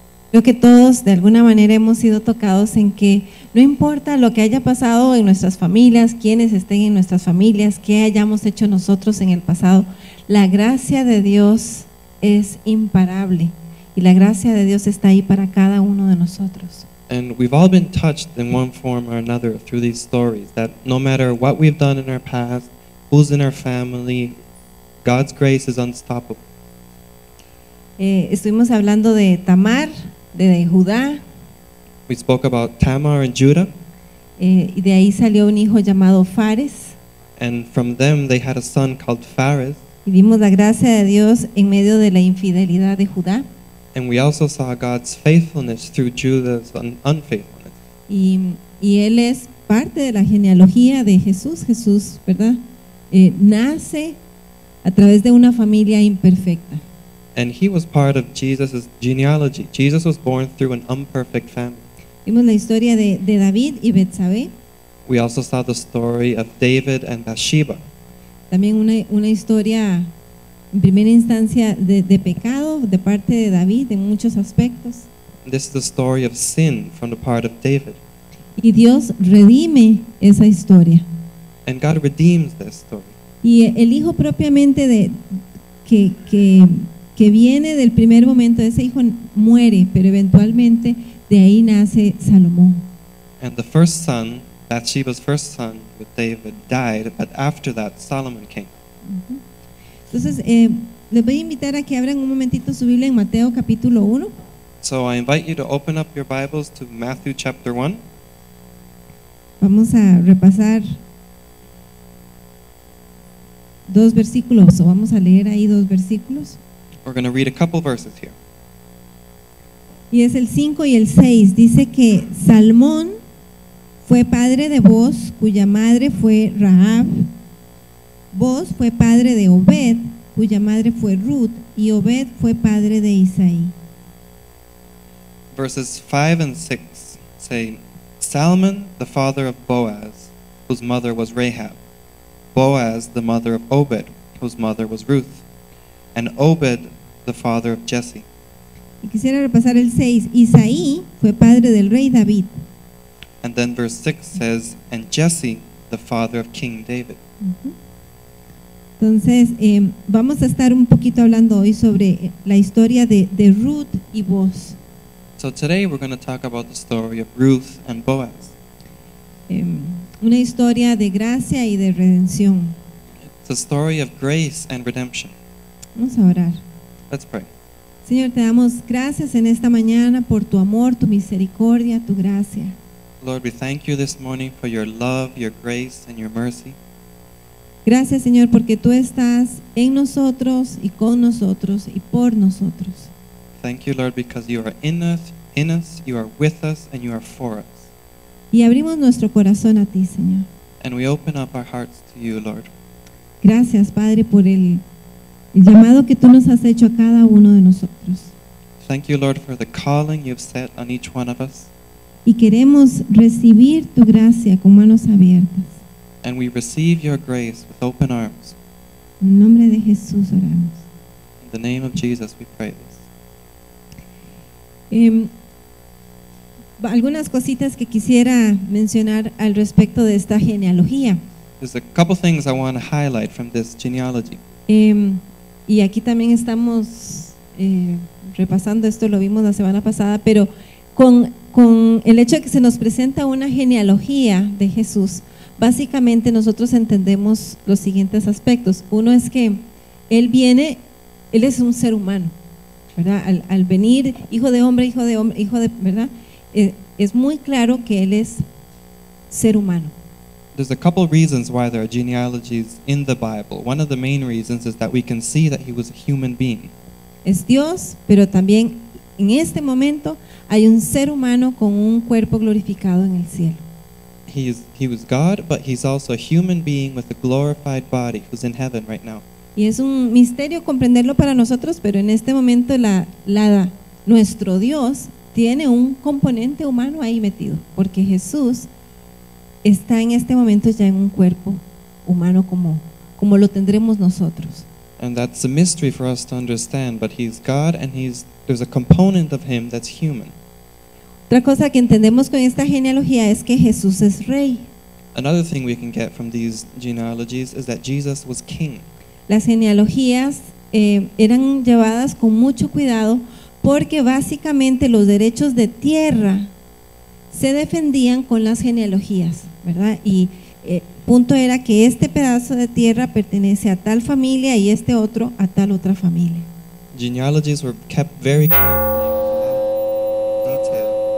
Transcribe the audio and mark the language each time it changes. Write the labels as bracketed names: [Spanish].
[Spanish] Creo que todos de alguna manera hemos sido tocados en que no importa lo que haya pasado en nuestras familias, quienes estén en nuestras familias, qué hayamos hecho nosotros en el pasado, la gracia de Dios es imparable y la gracia de Dios está ahí para cada uno de nosotros. [English] And we've all been touched in one form or another through these stories, that no matter what we've done in our past, who's in our family, God's grace is unstoppable. [Spanish] Estuvimos hablando de Tamar, de Judá. [English] We spoke about Tamar and Judah. [Spanish] Y de ahí salió un hijo llamado Fares. [English] And from them they had a son called Fares. [Spanish] Y vimos la gracia de Dios en medio de la infidelidad de Judá. [English] And we also saw God's faithfulness through Judah's unfaithfulness. [Spanish] Y él es parte de la genealogía de Jesús. Jesús, ¿verdad? Nace a través de una familia imperfecta. [English] And he was part of Jesus' genealogy. Jesus was born through an imperfect family. [Spanish] Vimos la historia de David y Betsabé. [English] We also saw the story of David and Bathsheba. [Spanish] También una historia en primera instancia de pecado de parte de David en muchos aspectos. [English] This is the story of sin from the part of David. [Spanish] Y Dios redime esa historia. [English] And God redeems this story. [Spanish] Y el hijo propiamente de que viene del primer momento, ese hijo muere, pero eventualmente de ahí nace Salomón. [English] And the first son, Bathsheba's first son with David, died, but after that Solomon came. [Spanish] Entonces, les voy a invitar a que abran un momentito su Biblia en Mateo capítulo 1. [English] So I invite you to open up your Bibles to Matthew chapter 1. [Spanish] Vamos a repasar dos versículos, o vamos a leer ahí dos versículos. [English] We're going to read a couple verses here. [Spanish] Y es el 5 y el 6. Dice que Salmón fue padre de Boaz, cuya madre fue Rahab. Boaz fue padre de Obed, cuya madre fue Ruth, y Obed fue padre de Isaí. [English] Verses 5 and 6 say, Salmon, the father of Boaz, whose mother was Rahab. Boaz, the mother of Obed, whose mother was Ruth. And Obed, the father of Jesse. [Spanish] Y quisiera repasar el 6. Isaí fue padre del rey David. [English] And then verse 6 says, and Jesse, the father of King David. [Spanish] Entonces, vamos a estar un poquito hablando hoy sobre la historia de Ruth y Boaz. [English] So today we're going to talk about the story of Ruth and Boaz. [Spanish] Una historia de gracia y de redención. [English] It's a story of grace and redemption. [Spanish] Vamos a orar. [English] Let's pray. [Spanish] Señor, te damos gracias en esta mañana por tu amor, tu misericordia, tu gracia. [English] Lord, we thank you this morning for your love, your grace, and your mercy. [Spanish] Gracias, Señor, porque tú estás en nosotros y con nosotros y por nosotros. [English] Thank you, Lord, because you are in us, you are with us, and you are for us. [Spanish] Y abrimos nuestro corazón a ti, Señor. [English] And we open up our hearts to you, Lord. [Spanish] Gracias, Padre, por el llamado que tú nos has hecho a cada uno de nosotros. [English] Thank you, Lord, for the calling you've set on each one of us. [Spanish] Y queremos recibir tu gracia con manos abiertas. [English] And we receive your grace with open arms. [Spanish] En nombre de Jesús oramos. [English] In the name of Jesus we pray this. [Spanish] Algunas cositas que quisiera mencionar al respecto de esta genealogía. [English] There's a couple things I want to highlight from this genealogy. [Spanish] Y aquí también estamos repasando esto, lo vimos la semana pasada, pero con el hecho de que se nos presenta una genealogía de Jesús, básicamente nosotros entendemos los siguientes aspectos. Uno es que él es un ser humano, ¿verdad? Al venir hijo de hombre, ¿verdad? Es muy claro que él es ser humano. [English] There's a couple reasons why there are genealogies in the Bible. One of the main reasons is that we can see that he was a human being. [Spanish] Es Dios, pero también en este momento hay un ser humano con un cuerpo glorificado en el cielo. [English] He was God, but he's also a human being with a glorified body who's in heaven right now. [Spanish] Y es un misterio comprenderlo para nosotros, pero en este momento nuestro Dios tiene un componente humano ahí metido, porque Jesús está en este momento ya en un cuerpo humano como lo tendremos nosotros. [English] And that's a mystery for us to understand, but he's God and he's there's a component of him that's human. [Spanish] Otra cosa que entendemos con esta genealogía es que Jesús es rey. [English] Another thing we can get from these genealogies is that Jesus was king. [Spanish] Las genealogías eran llevadas con mucho cuidado porque básicamente los derechos de tierra se defendían con las genealogías, ¿verdad? Y punto era que este pedazo de tierra pertenece a tal familia y este otro a tal otra familia. [English] Genealogies were kept very carefully for that detail.